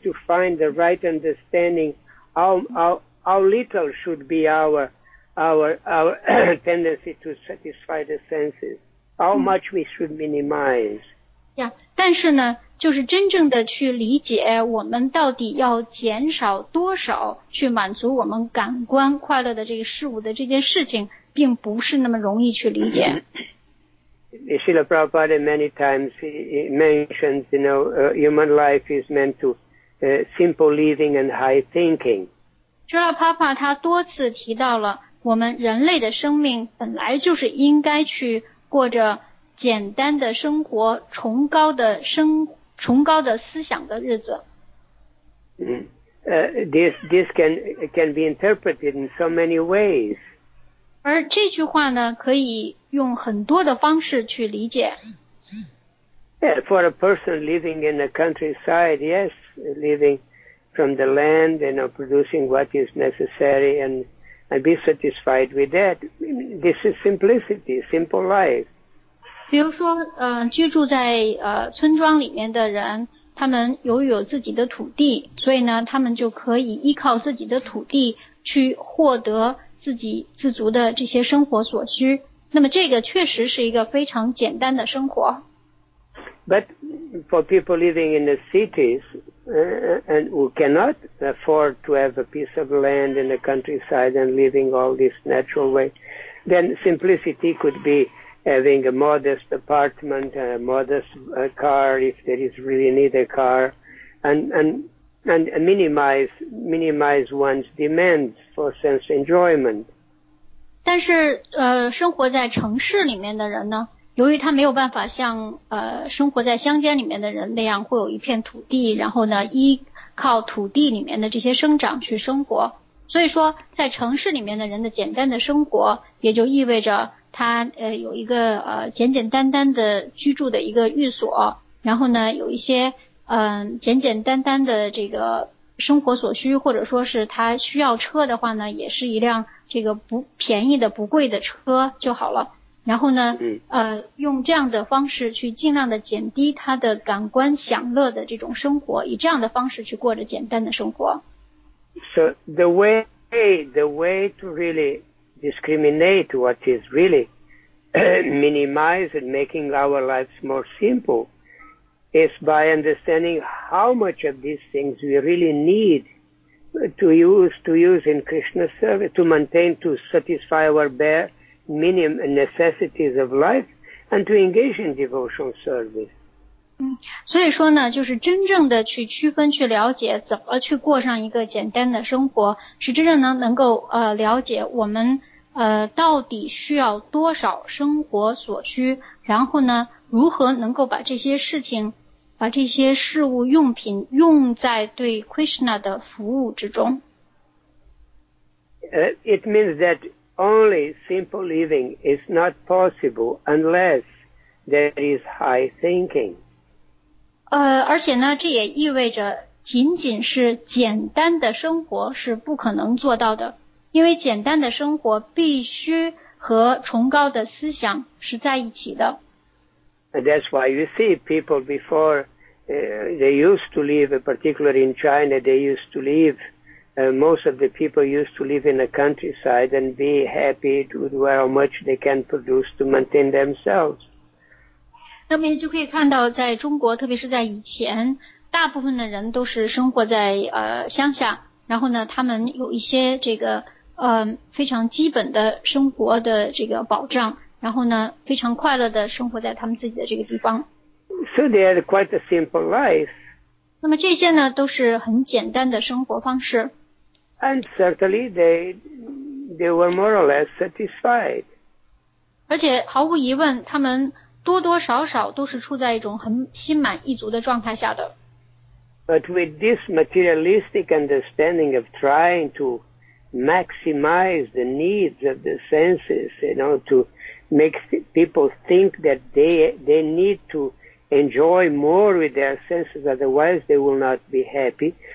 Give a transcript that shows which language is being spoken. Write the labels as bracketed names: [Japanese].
[English] to find the right understanding how little should be our tendency to satisfy the senses, how much we should minimize. [Chinese] Yeah, 但是呢，就是真正的去理解我们到底要减少多少去满足我们感官快乐的这个事物的这件事情，并不是那么容易去理解。 [English] Srila Prabhupada many times mentions, you know, human life is meant to simple living and high thinking. [Chinese] Srila Prabhupada 他多次提到了我们人类的生命本来就是应该去过着简单的生活，崇高的思想的日子。 [English] This can be interpreted in so many ways. [Chinese] 而这句话呢，可以用很多的方式去理解。 [English] Yeah, for a person living in the countryside, yes, living from the land and producing what is necessary and be satisfied with that. This is simplicity, simple life. [Chinese] 比如说，居住在村庄里面的人，他们由于有自己的土地，所以呢，他们就可以依靠自己的土地去获得自给自足的这些生活所需。那么这个确实是一个非常简单的生活。 [English] But for people living in the cities, and who cannot afford to have a piece of land in the countryside and living all this natural way, then simplicity could be having a modest apartment, a modest car if there is really need a car, and minimize one's demands for sense enjoyment. [Chinese] 但是生活在城市里面的人呢，由于他没有办法像生活在乡间里面的人那样会有一片土地，然后呢依靠土地里面的这些生长去生活，所以说在城市里面的人的简单的生活也就意味着他有一个简简单单的居住的一个寓所，然后呢有一些简简单单的这个生活所需，或者说是他需要车的话呢，也是一辆这个不便宜的不贵的车就好了，然后呢用这样的方式去尽量的减低他的感官享乐的这种生活，以这样的方式去过着简单的生活。 [English] So the way to really discriminate what is really minimize and making our lives more simple is by understanding how much of these things we really needto use in Krishna's service, to maintain, to satisfy our bare minimum necessities of life, and to engage in devotional service. [Chinese] 所以说呢，就是真正的去区分、去了解怎么去过上一个简单的生活，是真正能够了解我们到底需要多少生活所需，然后呢，如何能够把这些事情把这些事物用品用在对 Krishna 的服务之中。 [English] It means that only simple living is not possible unless there is high thinking. [Chinese] 而且呢，这也意味着仅仅是简单的生活是不可能做到的，因为简单的生活必须和崇高的思想是在一起的。 [English] And that's why you see people before they used to live, particularly in China, they used to live Most of the people used to live in the countryside and be happy with how much they can produce to maintain themselves. [Chinese] 那么你就可以看到，在中国，特别是在以前，大部分的人都是生活在乡下，然后呢，他们有一些这个非常基本的生活的这个保障，然后呢，非常快乐的生活在他们自己的这个地方。 [English] So they had quite a simple life. [Chinese] 那么这些呢，都是很简单的生活方式。 [English] And certainly they were more or less satisfied. [Chinese] 而且毫无疑问，他们多多少少都是处在一种很心满意足的状态下的。 [English] But with this materialistic understanding of trying to maximize the needs of the senses, you know, to make people think that they need to enjoy more with their senses, otherwise they will not be happy.